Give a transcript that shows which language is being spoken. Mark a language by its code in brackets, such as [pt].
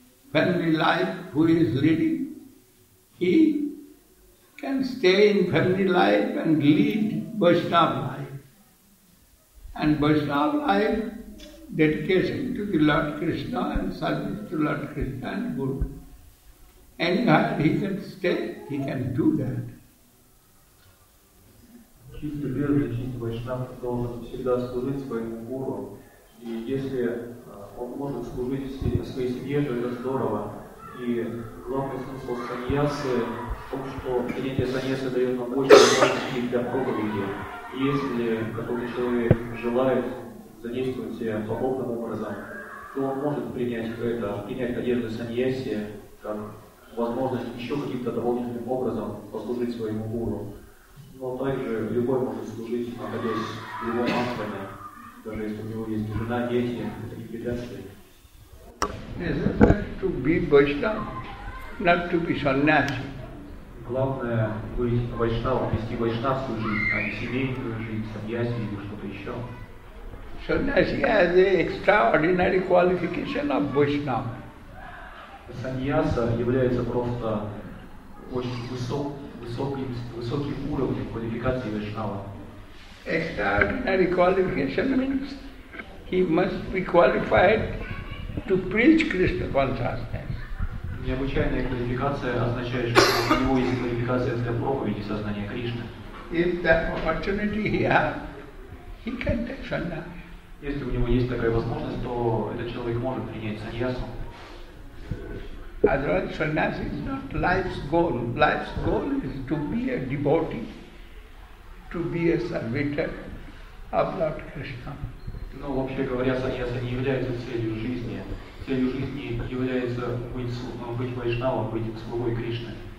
[en] When we like who is leading, he can stay in family life and lead Vaishnava life. and Vaishnava life, dedication to the Lord Krishna and service to Lord Krishna and Guru. Anywhere he can stay, he can do that. [ru] Чистый верный, чистый вайшнав должен всегда служить своему гуру. И если он может служить своей семье, то это здорово. И главный смысл саньясы в том, что принятие саньясы дает нам больше возможностей для проповеди. И если какой-то человек желает задействовать себя подобным образом, то он может принять одежду саньяси как возможность еще каким-то дополнительным образом послужить своему гуру. Но также любой может служить, находясь в любом ашраме, даже если у него есть жена, дети, это не беда. [en] To be Vaishnav, not to be sannyasi. [ru] Главное быть вайшнавом, вести вайшнавскую жизнь, а не семейную жизнь, сандьяси или что-то еще. [en] Sannyasi has an extraordinary qualification of Vaishnav. [ru] Саньяса является просто очень высоким уровнем квалификации вайшнава. [en] Extraordinary qualification means he must be qualified to preach Krishna consciousness. [ru] Необычайная квалификация означает, что у него есть квалификация для проповеди сознания Кришны. [en] If that opportunity he has, he can take sannyas. [ru] Если у него есть такая возможность, то этот человек может принять саньясу. [en] Otherwise, sannyas is not life's goal. Life's goal is to be a devotee, to be a servitor of Lord Krishna. [ru] Ну, вообще говоря, саньяса не является целью жизни. Целью жизни является быть вайшнавом, быть слугой Кришны.